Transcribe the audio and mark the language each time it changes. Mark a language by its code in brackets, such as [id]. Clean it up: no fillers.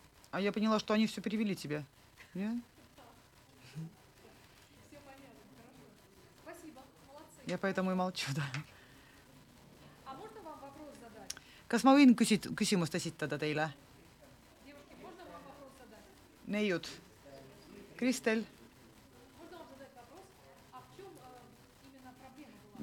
[ru] А я поняла, что они все перевели тебе. Нет? Все понятно, хорошо. Спасибо, молодцы. Я поэтому и молчу, да. А можно вам вопрос задать? [et] Kas ma võin küsimust esitada teile? [ru] Девушки, можно вам вопрос задать? [et] Neiud. Kristel. [ru] Можно вам задать вопрос? А в чем именно проблема была?